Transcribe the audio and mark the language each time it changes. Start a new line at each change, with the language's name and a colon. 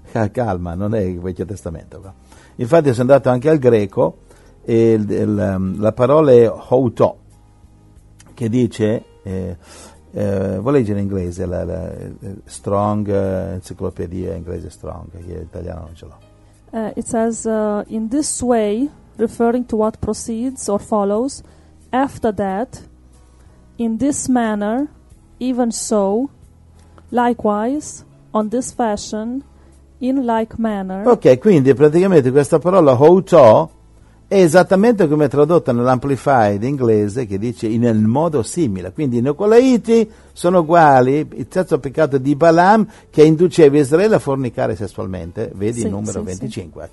Italian: Calma, non è il Vecchio Testamento. Infatti sono andato anche al greco, e la parola è houto, che dice, vuoi leggere in inglese la Strong, enciclopedia inglese Strong, che in italiano non ce l'ho.
English: It says, in this way, referring to what proceeds or follows, after that, in this manner, even so, likewise, on this fashion, in like manner.
Italian: Ok, quindi praticamente questa parola houto è esattamente come tradotta nell'Amplified inglese, che dice in un modo simile. Quindi i Nicolaiti sono uguali, il terzo peccato di Balaam che induceva Israele a fornicare sessualmente, vedi, sì, il numero, sì, 25, sì.